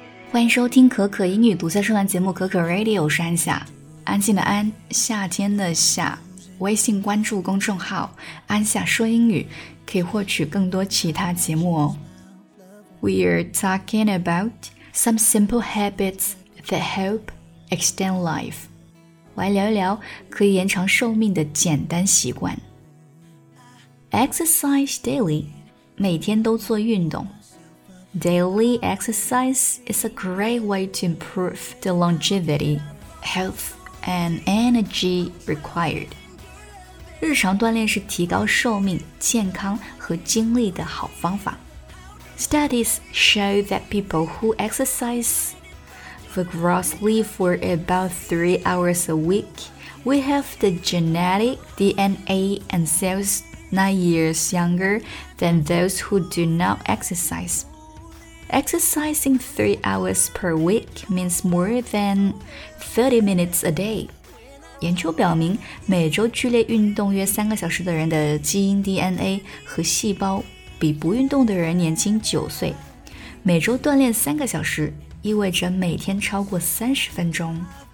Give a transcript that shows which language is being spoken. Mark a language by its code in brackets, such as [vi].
[zh] 欢迎收听可可英语独家专栏节目可可 Radio， 我是安夏，安静的安，夏天的夏。微信关注公众号安夏说英语，可以获取更多其他节目哦。 [en] We're talking about some simple habits that help extend life。 [zh] 来聊一聊可以延长寿命的简单习惯。 [en] Exercise daily， [zh] 每天都做运动。 [en] Daily exercise is a great way to improve the longevity, health, and energy required. [zh] 日常锻炼是提高寿命、健康和精力的好方法。 [en] Studies show that people who exercise vigorously for about 3 hours a week will have the genetic DNA and cells 9 years younger than those who do not exercise. Exercising 3 hours per week means more than 30 minutes a day. [zh] 研究表明，每周剧烈运动约三个小时的人的基因 DNA 和细胞比不运动的人年轻9岁。每周锻炼三个小时，意味着每天超过30分钟。